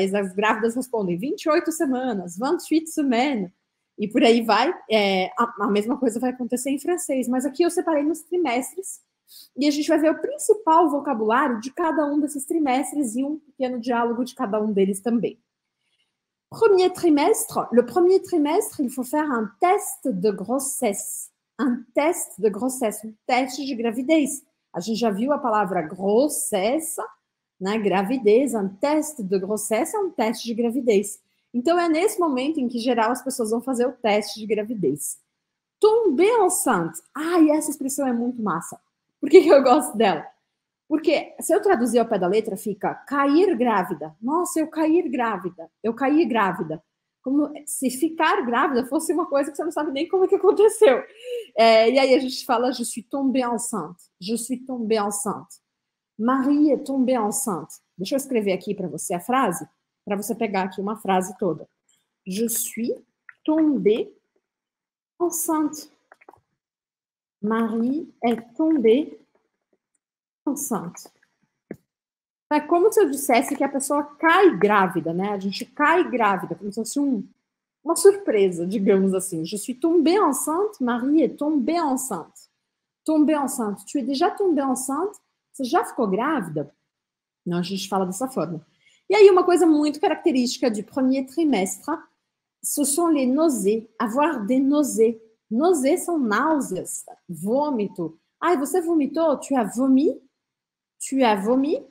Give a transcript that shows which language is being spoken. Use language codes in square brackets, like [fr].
[pt] E as grávidas respondem 28 semanas, 28 semaines. E por aí vai. É, a mesma coisa vai acontecer em francês, mas aqui eu separei nos trimestres e a gente vai ver o principal vocabulário de cada um desses trimestres e um pequeno diálogo de cada um deles também. [fr] Premier trimestre, le premier trimestre, il faut faire un test de grossesse. Un test de grossesse, [pt] um teste de gravidez. A gente já viu a palavra grossesse, né? Gravidez, [fr] un test de grossesse [pt] é um teste de gravidez. Então é nesse momento em que geral as pessoas vão fazer o teste de gravidez. [fr] Tomber enceinte. [pt] Ai, essa expressão é muito massa. Por que que eu gosto dela? Porque se eu traduzir ao pé da letra, fica cair grávida. Nossa, eu cair grávida. Eu caí grávida. Como se ficar grávida fosse uma coisa que você não sabe nem como que aconteceu. É, e aí a gente fala, [fr] je suis tombée enceinte. Je suis tombée enceinte. Marie est tombée enceinte. [pt] Deixa eu escrever aqui para você a frase, para você pegar aqui uma frase toda. [fr] Je suis tombée enceinte. Marie est tombée enceinte. [pt] É como se eu dissesse que a pessoa cai grávida, né? A gente cai grávida, como se fosse uma surpresa, digamos assim. [fr] Je suis tombée enceinte, Marie est tombée enceinte. Tombée enceinte. Tu es déjà tombée enceinte? [pt] Você já ficou grávida? Não, a gente fala dessa forma. E aí, uma coisa muito característica de premier trimestre, [fr] ce sont les nausées, avoir des nausées. [pt] Nausées são náuseas, vômito. Ai, você vomitou? [fr] Tu as vomi? Tu as vomi?